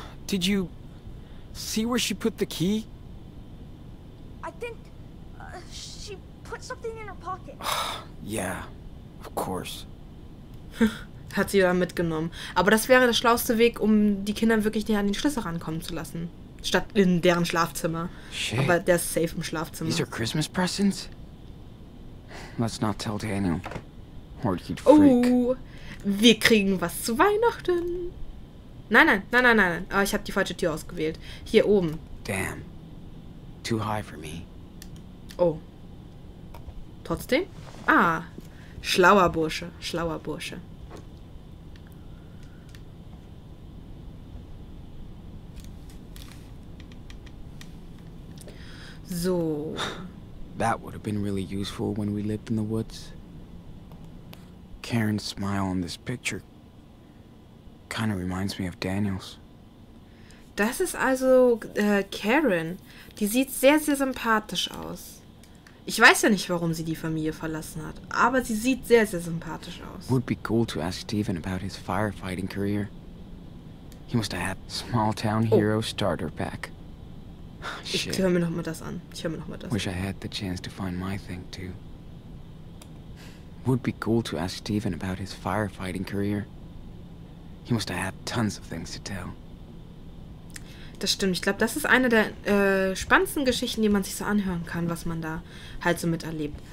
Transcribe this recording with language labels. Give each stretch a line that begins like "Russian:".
English: Did you see where she put the key? I think she put something in her pocket. Yeah, of course.
German: Hat sie ja mitgenommen. Aber das wäre der schlauste Weg, um die Kinder wirklich näher an den Schlüssel rankommen zu lassen. Statt in deren Schlafzimmer.
English: Shit.
German: Aber der ist safe im Schlafzimmer.
English: These are Christmas presents? Let's not tell Daniel. Or he'd freak.
German: Oh, wir kriegen was zu Weihnachten. Nein. Oh, ich habe die falsche Tür ausgewählt. Hier oben.
English: Damn. Too high for me.
German: Oh. Trotzdem? Ah. Schlauer Bursche. So.
English: That would have been really useful when we lived in the woods. Karen's smile on this picture kind of reminds me of Daniel's.
German: Das ist also Karen. Die sieht sehr, sehr sympathisch aus. Ich weiß ja nicht, warum sie die Familie verlassen hat, aber sie sieht sehr, sehr sympathisch aus.
English: Would be cool to ask Steven about his firefighting career. He must have had small town hero starter pack.
German: Ich höre mir noch mal das an. Ich höre mir noch mal das.
English: Wish I had the chance to find my thing too. Would be cool to ask Steven about his firefighting career. He must have had tons of things to tell.
German: Das stimmt. Ich glaube, das ist eine der spannendsten Geschichten, die man sich so anhören kann, was man da halt so miterlebt.